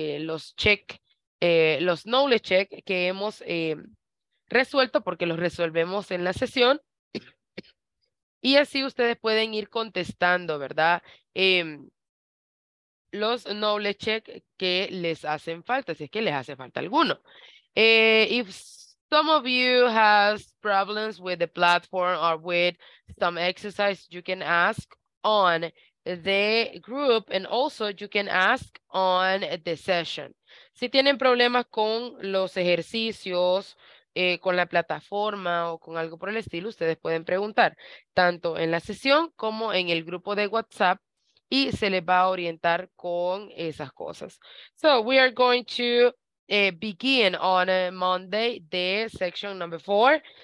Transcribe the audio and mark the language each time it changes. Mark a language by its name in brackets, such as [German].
[Spanish] Los check, los knowledge check que hemos resuelto porque los resolvemos en la sesión. Y así ustedes pueden ir contestando, ¿verdad? Los knowledge check que les hacen falta, si es que les hace falta alguno. [English] If some of you has problems with the platform or with some exercise, you can ask on the group and also you can ask on the session. [Spanish] Si tienen problemas con los ejercicios, con la plataforma o con algo por el estilo, ustedes pueden preguntar tanto en la sesión como en el grupo de WhatsApp y se les va a orientar con esas cosas. [English] So we are going to begin on a Monday the section number 4.